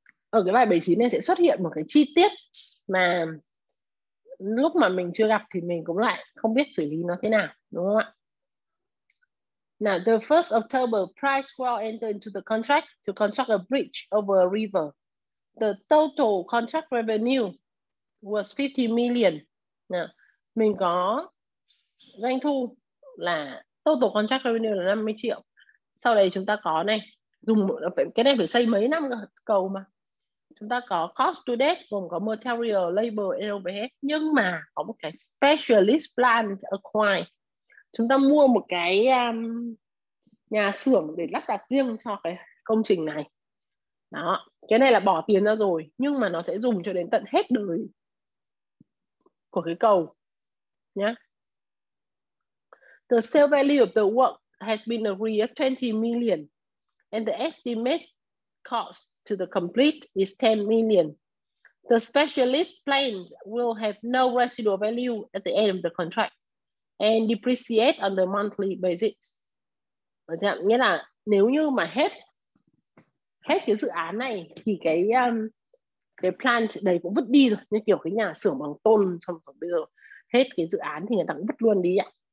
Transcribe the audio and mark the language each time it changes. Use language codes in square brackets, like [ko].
[vi] Ở cái bài 79 này sẽ xuất hiện một cái chi tiết mà lúc mà mình chưa gặp thì mình cũng lại không biết xử lý nó thế nào, đúng không ạ? [en] Now, the first October price well entered into the contract to construct a bridge over a river. The total contract revenue was 50 million. [vi] Now, mình có doanh thu là [en] total contract revenue [vi] là 50 triệu. Sau đây chúng ta có này, dùng cái này phải xây mấy năm cầu mà. chúng ta có cost to date gồm có [en] material, labor and overhead, [vi] nhưng mà có một cái [en] specialist plant acquired. [vi] Chúng ta mua một cái nhà xưởng để lắp đặt riêng cho cái công trình này. Đó, cái này là bỏ tiền ra rồi, nhưng mà nó sẽ dùng cho đến tận hết đời của cái cầu nhá. [en] The sale value of the work has been agreed at 20 million and the estimate cost to the complete is 10 million. The specialist plant will have no residual value at the end of the contract and depreciate on the monthly basis. [vi] Nghĩa là nếu như mà hết hết cái dự án này thì cái plant đấy cũng vứt đi rồi, như kiểu cái nhà xưởng bằng tôn xong rồi bây giờ hết cái dự án thì người ta cũng vứt luôn đi ạ.